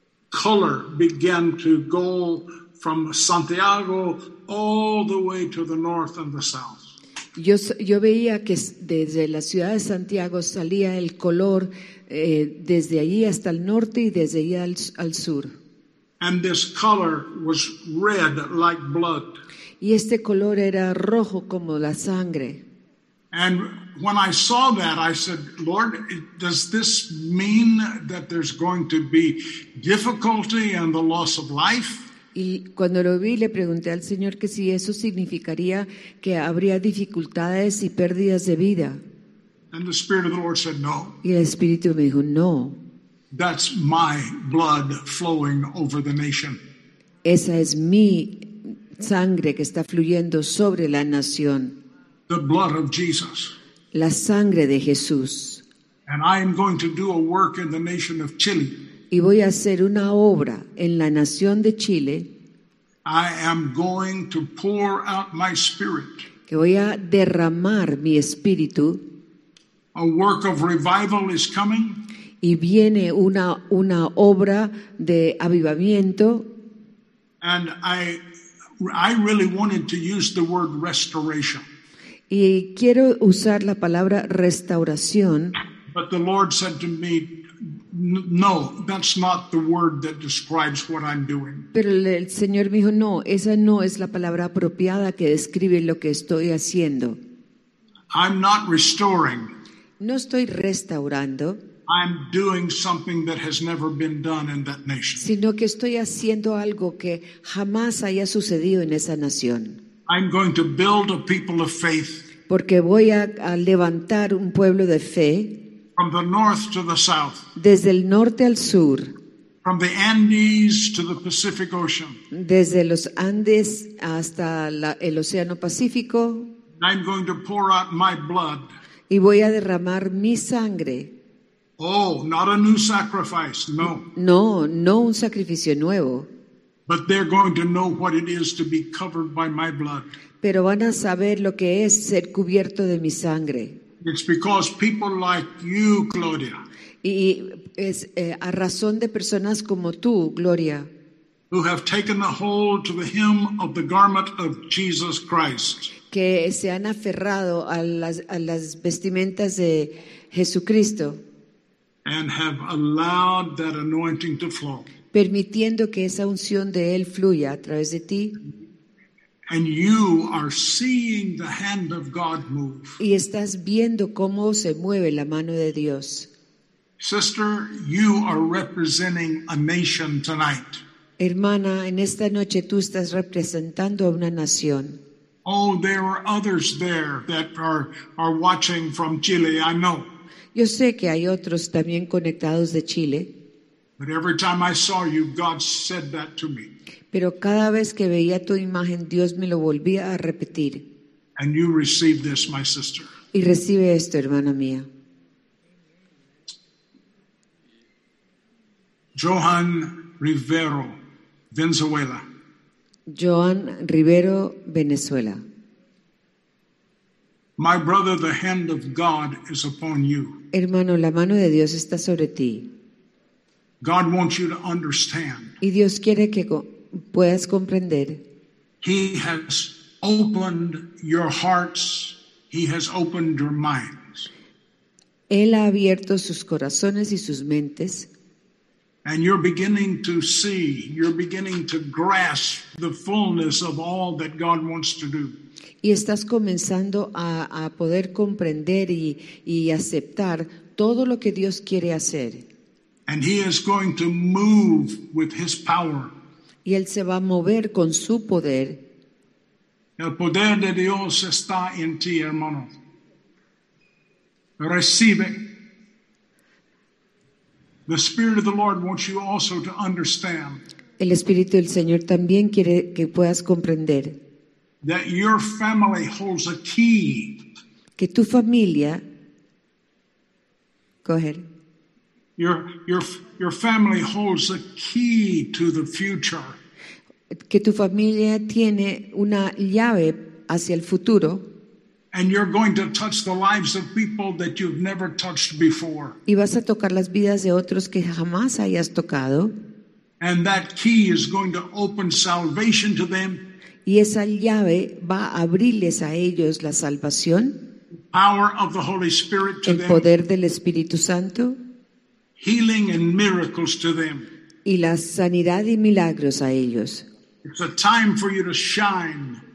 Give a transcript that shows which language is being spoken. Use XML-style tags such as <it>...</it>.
<en>Color began to go from Santiago all the way to the north and the south.</en> <es>Yo veía que desde la ciudad de Santiago salía el color desde allí hasta el norte y desde allí al sur.</es> <en>And this color was red like blood.</en> <es>Y este color era rojo como la sangre.</es> <en>And when I saw that, I said, Lord, does this mean that there's going to be difficulty and the loss of life?</en> <es>Y cuando lo vi, le pregunté al Señor que si eso significaría que habría dificultades y pérdidas de vida.</es> <en>And the Spirit of the Lord said, no.</en> <es>Y el Espíritu me dijo, no.</es> <en>That's my blood flowing over the nation.</en> <es>Esa es mi sangre que está fluyendo sobre la nación.</es> <en>The blood of Jesus.</en> <es>La sangre de Jesús.</es> <en>And I am going to do a work in the nation of Chile.</en> <es>Y voy a hacer una obra en la nación de Chile.</es> <en>I am going to pour out my spirit.</en> <es>Que voy a derramar mi espíritu.</es> <en>A work of revival is coming.</en> <es>Y viene una obra de avivamiento.</es> <en>And I really wanted to use the word restoration.</en> <es>Y quiero usar la palabra restauración.</es> <en>But the Lord said to me, no, that's not the word that describes what I'm doing.</en> <es>Pero el Señor me dijo, no, esa no es la palabra apropiada que describe lo que estoy haciendo.</es> <en>I'm not restoring.</en> <es>No estoy restaurando.</es> <en>I'm doing something that has never been done in that nation.</en> <es>Sino que estoy haciendo algo que jamás haya sucedido en esa nación.</es> <en>I'm going to build a people of faith.</en> <es>Porque voy a levantar un pueblo de fe.</es> <en>From the north to the south.</en> <es>Desde el norte al sur.</es> <en>From the Andes to the Pacific Ocean.</en> <es>Desde los Andes hasta el Océano Pacífico.</es> <en>I'm going to pour out my blood.</en> <es>Y voy a derramar mi sangre.</es> <en>Oh, not a new sacrifice, no.</en> <es>No, no un sacrificio nuevo.</es> <en>But they're going to know what it is to be covered by my blood.</en> <es>Pero van a saber lo que es ser cubierto de mi sangre.</es> <en>It's because people like you, Gloria.</en> <es>Y es a razón de personas como tú, Gloria.</es> <en>Who have taken a hold to the hem of the garment of Jesus Christ.</en> <es>Que se han aferrado a las vestimentas de Jesucristo.</es> <en>And have allowed that anointing to flow.</en> <es>Permitiendo que esa unción de Él fluya a través de ti.</es> <en>And you are seeing the hand of God move.</en> <es>Y estás viendo cómo se mueve la mano de Dios.</es> <en>Sister, you are representing a nation tonight.</en> <es>Hermana, en esta noche tú estás representando a una nación.</es> <en>Oh, there are others there that are watching from Chile, I know.</en> <es>Yo sé que hay otros también conectados de Chile.</es> <en>But every time I saw you, God said that to me.</en> <es>Pero cada vez que veía tu imagen, Dios me lo volvía a repetir.</es> <en>And you receive this, my sister.</en> <es>Y recibe esto, hermana mía.</es> <en>Johan Rivero, Venezuela.</en> <es>Joan Rivero, Venezuela.</es> <en>My brother, the hand of God is upon you.</en> <es>Hermano, la mano de Dios está sobre ti.</es> <en>God wants you to understand.</en> <es>Y Dios quiere que puedas comprender.</es> <en>He has opened your hearts. He has opened your minds.</en> <es>Él ha abierto sus corazones y sus mentes.</es> <en>And you're beginning to see, you're beginning to grasp the fullness of all that God wants to do.</en> <es>Y estás comenzando a poder comprender y aceptar todo lo que Dios quiere hacer.</es> <en>And he is going to move with his power.</en> <es>Y él se va a mover con su poder. El poder de Dios está en ti, hermano. Recibe.</es> <en>The Spirit of the Lord wants you also to understand.</en> <es>El Espíritu del Señor también quiere que puedas comprender.</es> <en>That your family holds a key.</en> <es>Que tu familia.</es> <en>Go ahead. Your family holds a key to the future.</en> <es>Que tu familia tiene una llave hacia el futuro.</es> <en>And you're going to touch the lives of people that you've never touched before.</en> <es>Y vas a tocar las vidas de otros que jamás hayas tocado.</es> <en>And that key is going to open salvation to them.</en> <es>Y esa llave va a abrirles a ellos la salvación.</es> <en>Power of the Holy Spirit to them.</en> <es>El poder del Espíritu Santo.</es> <en>Healing and miracles to them.</en> <es>Y la sanidad y milagros a ellos.</es> <en>It's a time for you to shine.</en>